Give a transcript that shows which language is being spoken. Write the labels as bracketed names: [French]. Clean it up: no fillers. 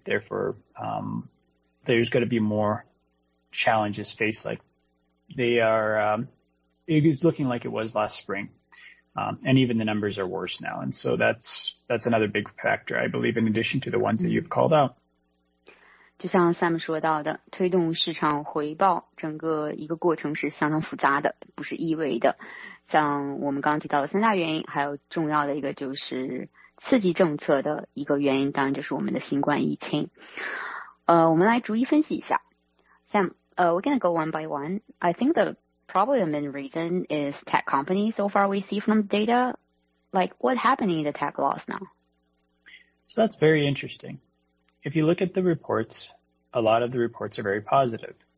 [English] Therefore, there's going to be more challenges faced. Like they are, it's looking like it was last spring. And even the numbers are worse now. And so that's another big factor, I believe, in addition to the ones that you've called out. [Chinese] 就像 Sam 说到的，推动市场回报整个一个过程是相当复杂的，不是一味的。像我们刚刚提到的三大原因，还有重要的一个就是刺激政策的一个原因，当然就是我们的新冠疫情。我们来逐一分析一下。 [English] Sam, we're gonna go one by one. I think the probably the main reason is tech companies so far we see from data. Like, what happening in the tech loss now? So that's very interesting. If you look at the reports, a lot of the reports are very positive.